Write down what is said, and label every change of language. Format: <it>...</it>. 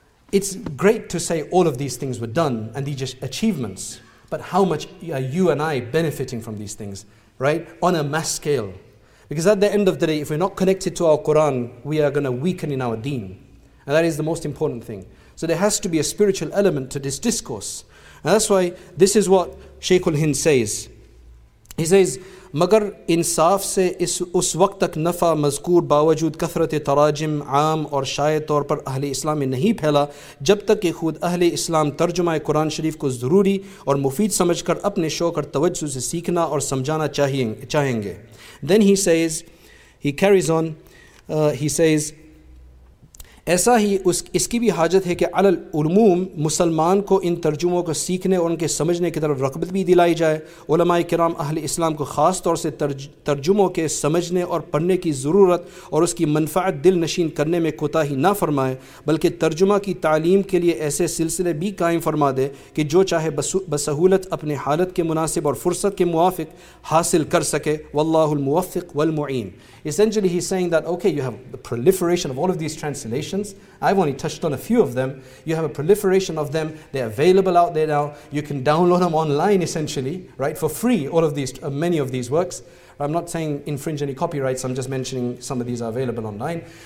<en>It's great to say all of these things were done and these achievements, but how much are you and I benefiting from these things, right? On a mass scale. Because at the end of the day, if we're not connected to our Quran, we are going to weaken in our deen. And that is the most important thing. So there has to be a spiritual element to this discourse. And that's why this is what Shaykh al-Hind says. He says,</en> <ur>مگر انصاف سے اس وقت تک نفع مذکور باوجود کثرت تراجم عام اور شائع طور پر اہل اسلام میں نہیں پھیلا جب تک کہ خود اہل اسلام ترجمہ قرآن شریف کو ضروری اور مفید سمجھ کر اپنے شوق اور توجہ سے سیکھنا اور سمجھانا چاہیں گے.</ur> <en>Then he says, he carries on, he says,</en> <ur>ایسا ہی اس کی بھی حاجت ہے کہ علی العموم مسلمان کو ان ترجموں کو سیکھنے اور ان کے سمجھنے کی طرف رغبت بھی دلائی جائے. علماء کرام اہل اسلام کو خاص طور سے ترجموں کے سمجھنے اور پڑھنے کی ضرورت اور اس کی منفعت دل نشین کرنے میں کوتاہی نہ فرمائے, بلکہ ترجمہ کی تعلیم کے لیے ایسے سلسلے بھی قائم فرما دے کہ جو چاہے بسہولت اپنے حالت کے مناسب اور فرصت کے موافق حاصل کر سکے.</ur> <ar>واللہ الموفق والمعین.</ar> <en>Essentially he's saying that okay, you have the proliferation of all of these translations. translations. I've only touched on a few of them. You have a proliferation of them. They're available out there now. You can download them online, essentially, right, for free, all of these, many of these works. I'm not saying infringe any copyrights. I'm just mentioning some of these are available online.</en>